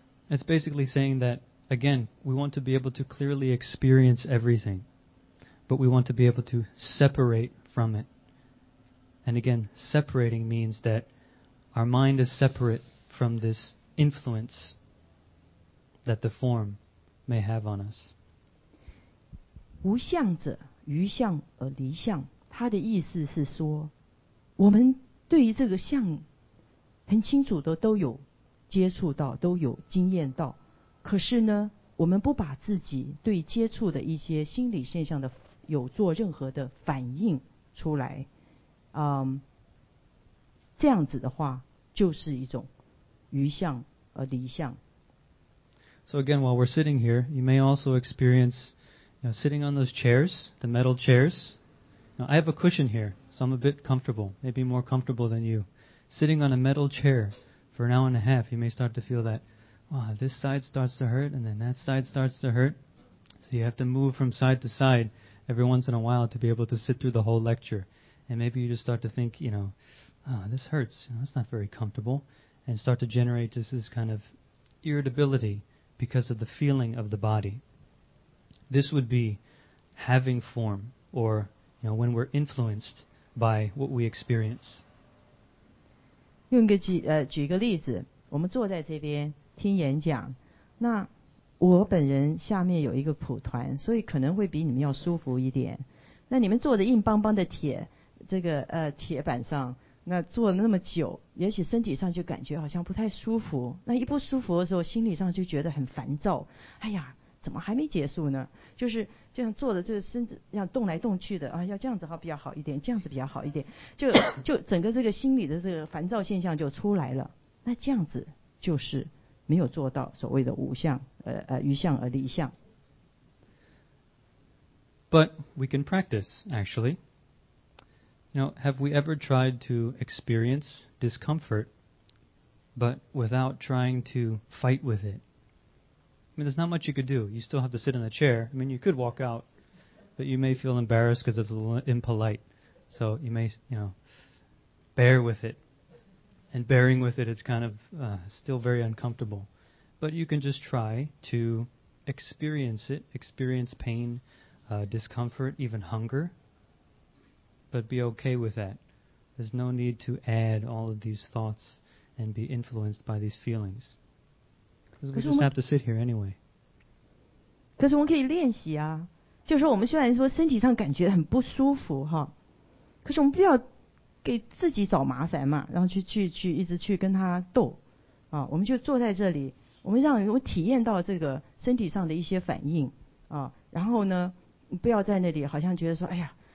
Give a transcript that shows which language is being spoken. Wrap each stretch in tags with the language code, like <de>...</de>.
<en>It's basically saying that, again, we want to be able to clearly experience everything, but we want to be able to separate from it. And again, separating means that our mind is separate from this influence that the form may have on us.</en> <zh>无相者，余相而离相。他的意思是说，我们对于这个相很清楚的都有接触到，都有经验到。可是呢，我们不把自己对接触的一些心理现象的有做任何的反应出来，这样子的话就是一种余相而离相。</zh> <en>So again, while we're sitting here, you may also experience, you know, sitting on those chairs, the metal chairs. Now, I have a cushion here, so I'm a bit comfortable, maybe more comfortable than you. Sitting on a metal chair for an hour and a half, you may start to feel that, wow, this side starts to hurt, and then that side starts to hurt. So you have to move from side to side every once in a while to be able to sit through the whole lecture. And maybe you just start to think, you know, oh, this hurts, you know, it's not very comfortable, and start to generate just this kind of irritability. Because of the feeling of the body. This would be having form, or, you know, when we're influenced by what we experience.</en> <zh>用个举个例子，我们坐在这边听演讲，那我本人下面有一个蒲团，所以可能会比你们要舒服一点。那你们坐着硬邦邦的铁，这个铁板上，那坐了那么久，也许身体上就感觉好像不太舒服，那一不舒服的时候心理上就觉得很烦躁，哎呀怎么还没结束呢，就是这样坐着，这个身子这样动来动去的啊，要这样子好比较好一点，这样子比较好一点，就整个这个心理的这个烦躁现象就出来了，那这样子就是没有做到所谓的无相余相而离相。</zh> <en>But we can practice actually. You know, have we ever tried to experience discomfort, but without trying to fight with it? I mean, there's not much you could do. You still have to sit in the chair. I mean, you could walk out, but you may feel embarrassed because it's a little impolite. So you may, you know, bear with it. And bearing with it, it's kind of still very uncomfortable. But you can just try to experience it, experience pain, discomfort, even hunger. But be okay with that. There's no need to add all of these thoughts and be influenced by these feelings. Because we just have to sit here anyway.</en> <zh>可是我们可以练习啊，就是说我们虽然说身体上感觉很不舒服哈，可是我们不要给自己找麻烦嘛，然后去一直去跟他斗啊。我们就坐在这里，我们让我体验到这个身体上的一些反应啊，然后呢，不要在那里好像觉得说，哎呀。</zh>